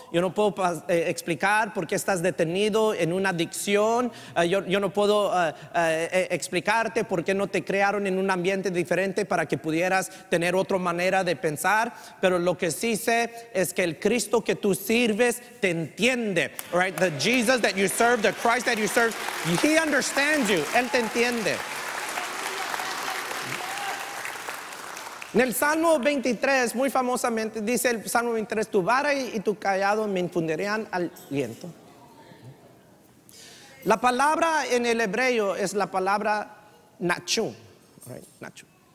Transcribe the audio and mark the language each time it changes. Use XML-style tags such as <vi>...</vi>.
<es>Yo no puedo explicar por qué estás detenido en una adicción. Yo no puedo explicarte por qué no te crearon en un ambiente diferente para que pudieras tener otra manera de pensar. Pero lo que sí sé es que el Cristo que tú sirves te entiende.</es> <en>Right? The Jesus that you serve, the Christ that you serve, He understands you.</en> <es>Él te entiende. En el Salmo 23, muy famosamente, dice el Salmo 23, tu vara y tu callado me infundirían aliento. La palabra en el hebreo es la palabra nachum. Right, nachum.</es>